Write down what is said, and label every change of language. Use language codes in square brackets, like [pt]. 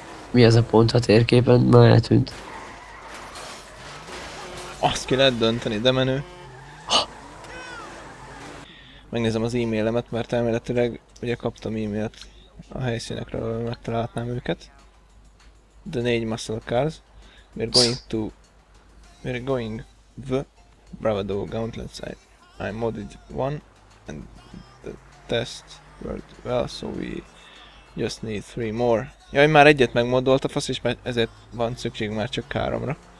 [hu] Mi ez a pont a térképen? Már eltűnt. Azt ki lehet dönteni, de menő. Megnézem az e-mailemet, mert elméletileg ugye kaptam e-mailt a helyszínekről, hogy megtalálhatnám őket. [en] The 4 muscle cars. We're going to... We're going the Bravado Gauntlet side. I modded one and the test worked well, so we just need three more. [hu] Jaj, már egyet megmoddolt a fasz, és már ezért van szükség már csak háromra.